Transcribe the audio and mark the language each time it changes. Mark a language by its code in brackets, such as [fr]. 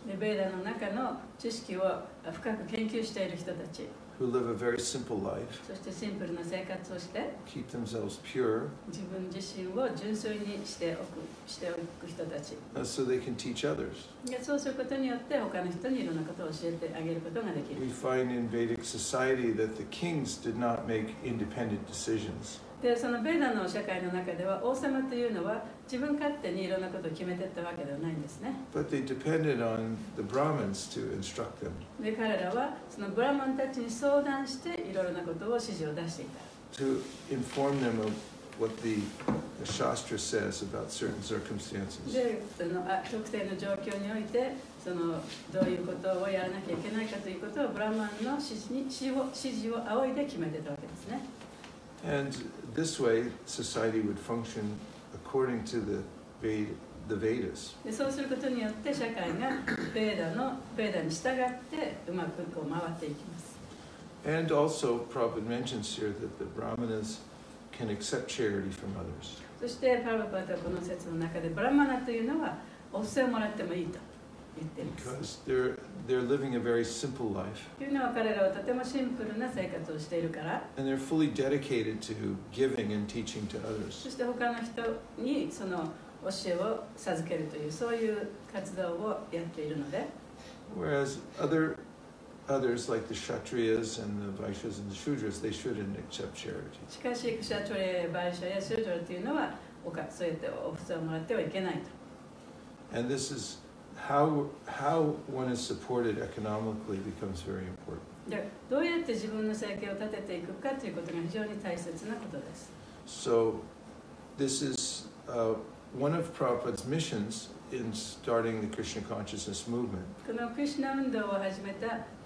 [ja] で、ベーダの中の知識を深く研究している人たち。 [en] Who live a very simple life. [ja] そしてシンプルな生活をして。 [en] Keep themselves pure. [ja] 自分自身を純粋にしておく人たち。 [en] So they can teach others. [ja] そうすることによって他の人にいろんなことを教えてあげることができる。 [en] We find in Vedic society that the kings did not make independent decisions. [ja] で、そのベーダの社会の中では王様というのは自分勝手にいろんなことを決めてったわけではないんですね。 [en] But they depended on the Brahmins to instruct them. [ja] で、彼らはそのブラマンたちに相談していろいろなことを指示を出していた。 [en] To inform them of what the Shastra says about certain circumstances. [ja] で、その特定の状況においてそのどういうことをやらなきゃいけないかということをブラマンの指示を仰いで決めてたわけですね。 [en] And this way, society would function according to the Vedas. [ja] そうすることによって社会がベーダに従ってうまくこう回っていきます。 [en] And also, Prabhupada mentions here that the Brahmanas can accept charity from others. [ja] そしてパラパタこの説の中でブラマナというのはお布施をもらってもいいと言っています。 [en] Because they're living a very simple life. [ja] というのは彼らはとてもシンプルな生活をしているから。 [en] And they're fully dedicated to giving and teaching to others. [ja] そして他の人にその教えを授けるというそういう活動をやっているので。 [en] Whereas others like the Kshatriyas and the Vaishyas and the Shudras, they shouldn't accept charity. [ja] しかし、クシャトリア、バイシャや、シュドラというのは、そうやってお布施をもらってはいけないと。 [en] And this is how one is supported economically becomes very important. [ja] で、どうやって自分の生計を立てていくかということが非常に大切なことです。 [en] So, this is one of Prabhupada's missions in starting the Krishna consciousness movement. [ja] このクリシュナ運動を始めた